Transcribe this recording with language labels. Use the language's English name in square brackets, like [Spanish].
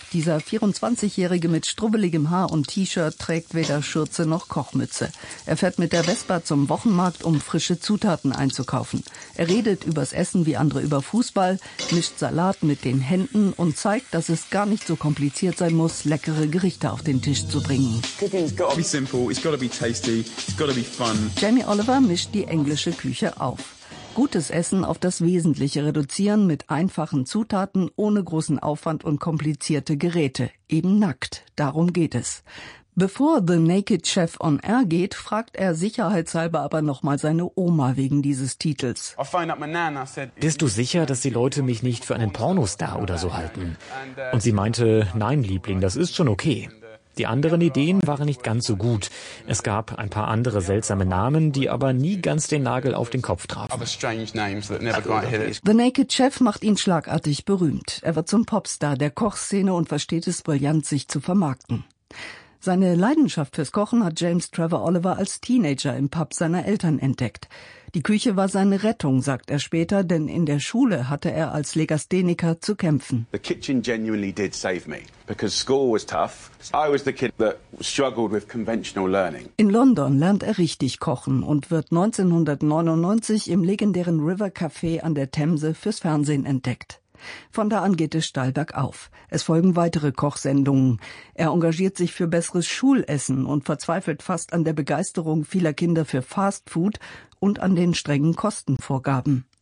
[German] Dieser 24-Jährige mit strubbeligem Haar und T-Shirt trägt weder Schürze noch Kochmütze. Er fährt mit der Vespa zum Wochenmarkt, um frische Zutaten einzukaufen. Er redet übers Essen wie andere über Fußball, mischt Salat mit den Händen und zeigt, dass es gar nicht so kompliziert sein muss, leckere Gerichte auf den Tisch zu bringen. [English] It's gotta be simple, it's gotta be tasty, it's gotta be fun. [German] Jamie Oliver mischt die englische Küche auf. Gutes Essen auf das Wesentliche reduzieren mit einfachen Zutaten, ohne großen Aufwand und komplizierte Geräte. Eben nackt. Darum geht es. Bevor The Naked Chef on Air geht, fragt er sicherheitshalber aber nochmal seine Oma wegen dieses Titels. Bist du sicher, dass die Leute mich nicht für einen Pornostar oder so halten? Und sie meinte, nein, Liebling, das ist schon okay. Die anderen Ideen waren nicht ganz so gut. Es gab ein paar andere seltsame Namen, die aber nie ganz den Nagel auf den Kopf trafen. The Naked Chef macht ihn schlagartig berühmt. Er wird zum Popstar der Kochszene und versteht es brillant, sich zu vermarkten. Seine Leidenschaft fürs Kochen hat James Trevor Oliver als Teenager im Pub seiner Eltern entdeckt. Die Küche war seine Rettung, sagt er später, denn in der Schule hatte er als Legastheniker zu kämpfen. [English] The kitchen genuinely did save me, because school was tough. I was the kid that struggled with conventional learning. [German] In London lernt er richtig kochen und wird 1999 im legendären River Café an der Themse fürs Fernsehen entdeckt. Von da an geht es steil bergauf. Es folgen weitere Kochsendungen. Er engagiert sich für besseres Schulessen und verzweifelt fast an der Begeisterung vieler Kinder für Fast Food und an den strengen Kostenvorgaben.